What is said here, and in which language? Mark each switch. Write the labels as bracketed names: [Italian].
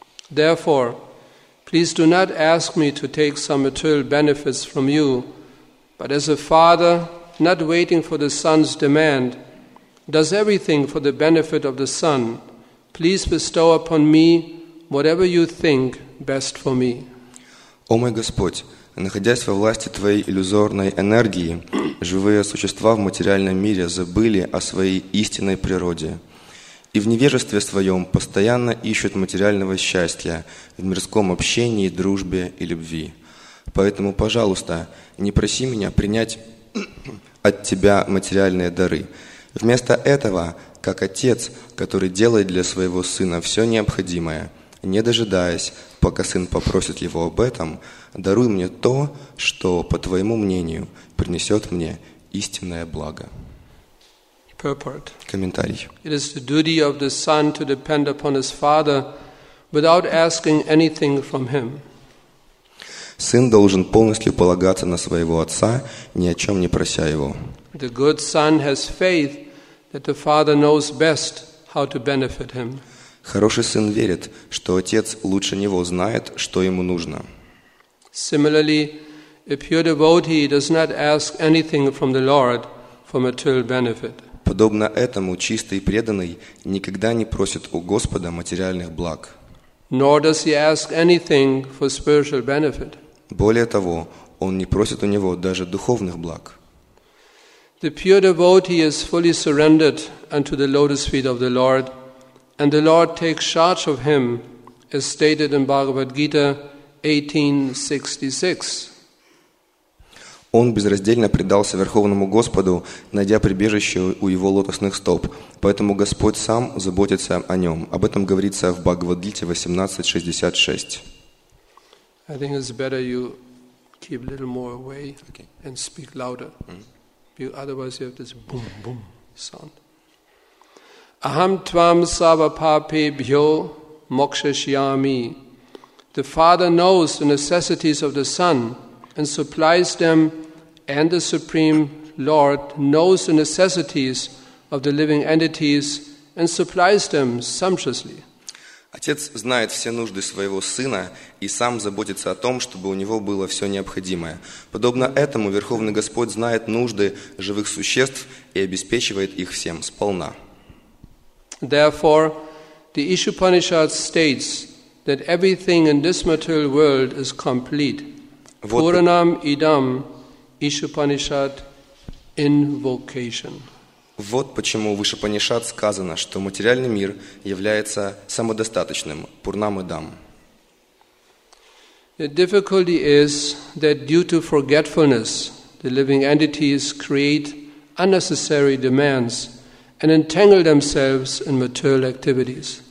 [English] Therefore, please do not ask me to take some material benefits from you, but as a father, not waiting for the son's demand, does everything for the benefit of the son, please bestow upon me whatever you think best for me. [Russian] О мой Господь, находясь во власти Твоей иллюзорной энергии, живые существа в материальном мире забыли о своей истинной природе. И в невежестве своем постоянно ищут материального счастья в мирском общении, дружбе и любви. Поэтому, пожалуйста, не проси меня принять от Тебя материальные дары. Вместо этого, как Отец, который делает для Своего Сына все необходимое, не дожидаясь, пока Сын попросит Его об этом, даруй мне то, что, по Твоему мнению, принесет мне истинное благо. [English] Purport. [Russian] Комментарий. [English] It is the duty of the Son to depend upon His Father without asking anything from Him. [Russian] Сын должен полностью полагаться на своего отца, ни о чем не прося его. [English] The good son has faith that the father knows best how to benefit him. [Russian] Хороший сын верит, что отец лучше него знает, что ему нужно. [English] Similarly, a pure devotee does not ask anything from the Lord for material benefit. [Russian] Подобно этому чистый преданный никогда не просит у Господа материальных благ. [English] Nor does he ask anything for spiritual benefit. [Russian] Более того, он не просит у него даже духовных благ. [English] The pure devotee is fully surrendered unto the lotus feet of the Lord, and the Lord takes charge of him, as stated in Bhagavad Gita 18:66. [Russian] Он безраздельно предался Верховному Господу, найдя прибежище у его лотосных стоп, поэтому Господь сам заботится о нем. Об этом говорится в Бхагавад Гите 18:66. [English] I think it's better you keep a little more away and speak louder. Mm-hmm. Otherwise you have this boom, boom sound. [Sanskrit] Aham tvam sava pape bhyo mokshashyami. [English] The father knows the necessities of the son and supplies them, and the Supreme Lord knows the necessities of the living entities and supplies them sumptuously. [Russian] Отец знает все нужды своего сына и сам заботится о том, чтобы у него было все необходимое. Подобно этому, Верховный Господь знает нужды живых существ и обеспечивает их всем сполна. [English] Therefore, the Ishupanishad states that everything in this material world is complete. [Sanskrit] Puranam idam [English] Ishupanishad invocation. [Russian] Вот почему в Ишупанишад сказано, что материальный мир является самодостаточным, Пурнам Идам. [English] The difficulty is that due to forgetfulness, the living entities create unnecessary demands and entangle themselves in material activities.